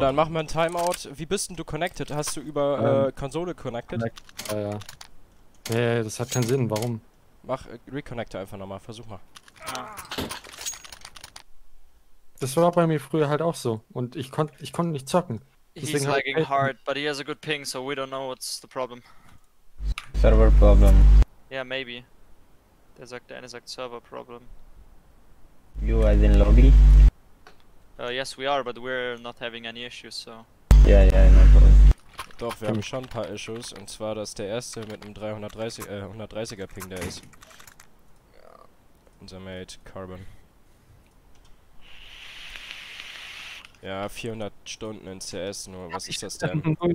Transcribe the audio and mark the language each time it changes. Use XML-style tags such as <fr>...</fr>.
<de>Dann machen wir ein Timeout. Wie bist denn du connected? Hast du über Konsole connected? Ja. Nee, das hat keinen Sinn, warum? Mach Reconnector einfach nochmal, versuch mal. Das war bei mir früher halt auch so. Und ich konnte nicht zocken.</de> <en>Deswegen he's lagging hard, but he has a good ping, so we don't know what's the problem. Server problem. Yeah, maybe.</en> <de>Der eine sagt Server problem.</de> <en>You as in lobby? Yes, we are, but we're not having any issues, so. Yeah, no problem.</en> <de>Doch, wir haben schon ein paar Issues, und zwar, dass der erste mit einem 130er Ping da ist. Unser Mate, Carbon. Ja, 400 Stunden in CS nur, was ist das denn?</de>